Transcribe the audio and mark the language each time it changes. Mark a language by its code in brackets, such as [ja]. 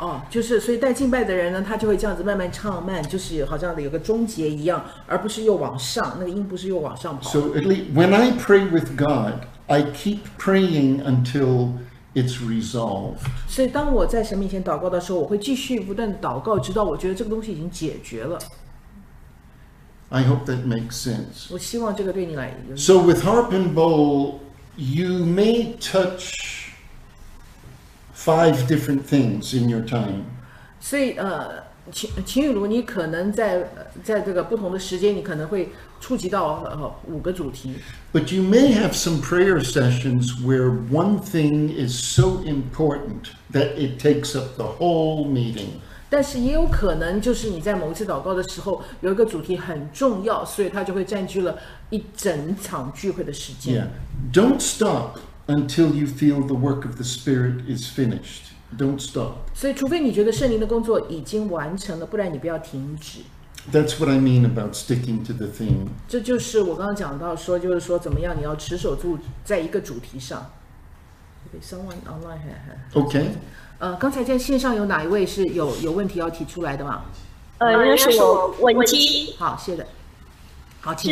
[zh] 就是所以带敬拜的人呢，他就会这样子慢慢唱慢，就是好像有个终结一样，而不是又往上，那个音不是又往上跑。 [en] So at least when I pray with God, I keep praying until it's resolved. [zh] 所以当我在神面前祷告的时候，我会继续不断的祷告，直到我觉得这个东西已经解决了。 [en] I hope that makes sense. [zh] 我希望这个对你来。 [en] So with harp and bowl, you may touch. Five different things in your time. [zh] 所以秦雨茹，你可能在这个不同的时间，你可能会触及到五个主题。 [en] But you may have some prayer sessions where one thing is so important that it takes up the whole meeting. [zh] 但是也有可能就是你在某一次祷告的时候，有一个主题很重要，所以它就会占据了一整场聚会的时间。 [en] Yeah. Don't stop. Until you feel the work of the Spirit is finished, don't stop. [zh] 所以，除非你觉得圣灵的工作已经完成了，不然你不要停止。 [en] That's what I mean about sticking to the theme. [zh] 这就是我刚刚讲到说，就是说怎么样，你要持守住在一个主题上。 [en] Someone online. Okay. [zh] 刚才在线上有哪一位是有问题要提出来的吗？应该是我文姬。好，谢谢。好，请